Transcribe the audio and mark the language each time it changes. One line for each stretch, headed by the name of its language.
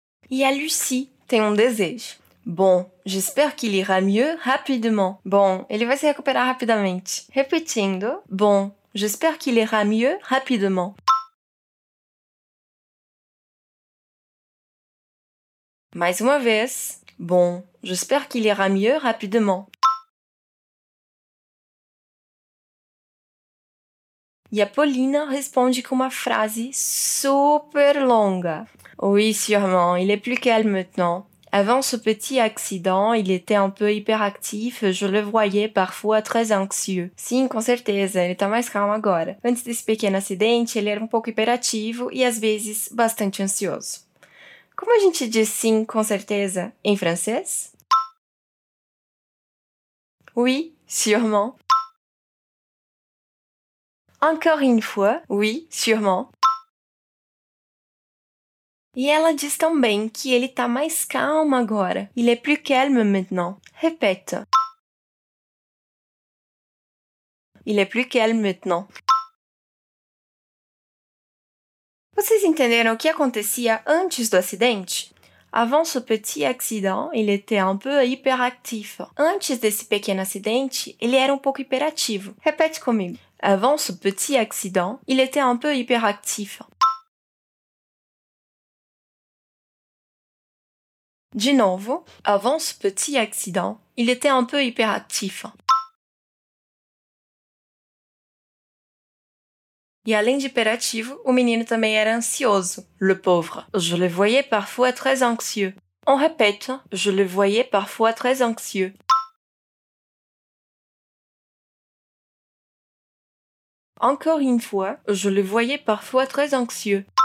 Portuguese: E a Lucie tem um desejo.
French: Bon, j'espère qu'il ira mieux rapidement.
Portuguese: Bon, ele vai se recuperar rapidamente. Repetindo.
French: Bon, j'espère qu'il ira mieux rapidement.
Portuguese: Mais uma vez.
French: Bon, j'espère qu'il ira mieux rapidement.
Portuguese: E a Paulina responde com uma frase super longa.
French: Oui, sûrement. Il est plus calme maintenant. Avant ce petit accident, il était un peu hyperactif. Je le voyais parfois très anxieux.
Portuguese: Sim, com certeza. Ele tá mais calmo agora. Antes desse pequeno acidente, ele era um pouco hiperativo e, às vezes, bastante ansioso. Como a gente diz sim, com certeza, em francês?
French: Oui, sûrement. Encore une fois, oui, sûrement.
Portuguese: E ela diz também que ele tá mais calmo agora.
French: Il est plus calme maintenant.
Portuguese: Repete.
French: Il est plus calme maintenant.
Portuguese: Vocês entenderam o que acontecia antes do acidente?
French: Avant ce petit accident, il était un peu hyperactif.
Portuguese: Antes desse pequeno acidente, ele era um pouco hiperativo. Repete comigo.
French: Avant ce petit accident, il était un peu hyperactif.
Portuguese: De novo,
French: avant ce petit accident, il était un peu hyperactif.
Portuguese: E além de hiperativo, o menino também era ansioso.
French: Le pauvre. Je le voyais parfois très anxieux. On répète. Je le voyais parfois très anxieux. Encore une fois. Je le voyais parfois très anxieux.